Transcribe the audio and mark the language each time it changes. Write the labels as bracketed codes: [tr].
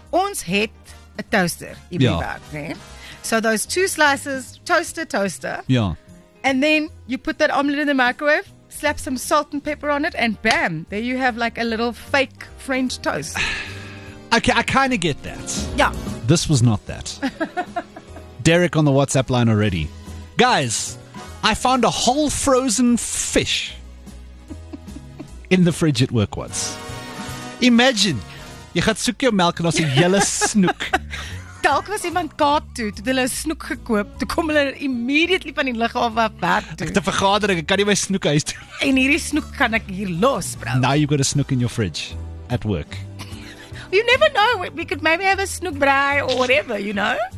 [af] Ons het 'n toaster hierby werk, nee? [en] So those two slices, toaster. Yeah. And then you put that omelet in the microwave, slap some salt and pepper on it, and bam, there you have like a little fake French toast. Okay, I kind of get that. Yeah. This was not that. Derek on the WhatsApp line already. Guys, I found a whole frozen fish in the fridge at work once. Imagine, you [af] gaat soek jou melk en daar's 'n hele snoek. Dalk was iemand kaap toe, toe hulle 'n snoek gekoop, toe kom hulle immediately van die lughawe af werk toe. Ek het 'n vergadering, ek kan nie my snoek huis toe. En hierdie snoek kan ek hier los, bro. [en] Now you've got a snoek in your fridge at work. You never know. We could maybe have a snoek braai or whatever, you know?